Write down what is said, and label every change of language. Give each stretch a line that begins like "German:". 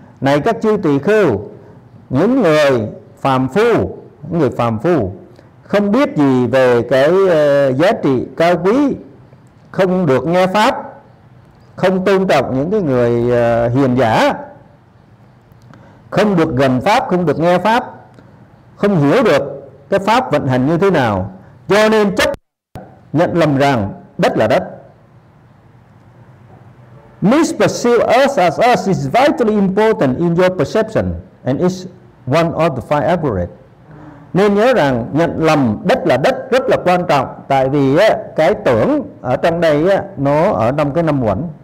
Vietnamese: Này các chư tỳ khưu, những người phàm phu, không biết gì về cái giá trị cao quý, không được nghe pháp, không tôn trọng những cái người hiền giả, không được gần pháp, không được nghe pháp, không hiểu được cái pháp vận hành như thế nào. Cho nên chấp nhận lầm rằng đất là đất.
English: Misperceive earth as earth is vitally important in your perception and is one of the five aggregates.
Vietnamese: Nên nhớ rằng nhận lầm đất là đất rất là quan trọng, tại vì cái tưởng ở trong đây nó ở trong cái năm uẩn.